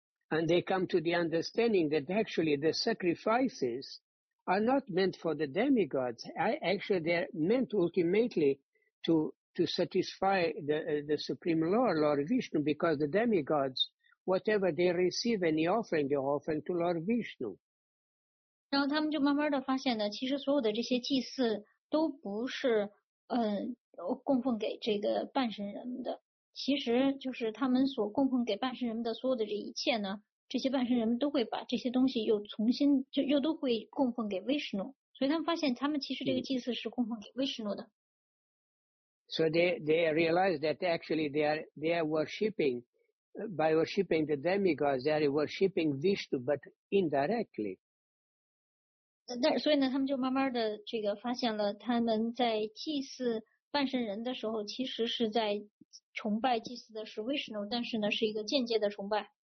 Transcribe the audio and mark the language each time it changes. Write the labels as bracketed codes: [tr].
[en] And they come to the understanding that actually the sacrifices are not meant for the demigods. Actually they're meant ultimately to satisfy the Supreme Lord Vishnu, because the demigods, whatever they receive any offering, they offer to Lord Vishnu. [zh] 然后他们就慢慢的发现呢，其实所有的这些祭祀都不是供奉给这个半神人们的，其实就是他们所供奉给半神人们的所有的这一切呢，这些半神人们都会把这些东西又重新就又都会供奉给 Vishnu， 所以他们发现他们其实这个祭祀是供奉给 Vishnu 的。 [en] So they realize that actually they are worshipping, by worshipping the demigods, they are worshipping Vishnu, but indirectly. [zh] 所以呢，他们就慢慢的这个发现了，他们在祭祀半神人的时候，其实是在崇拜祭祀的是 Vishnu， 但是呢，是一个间接的崇拜。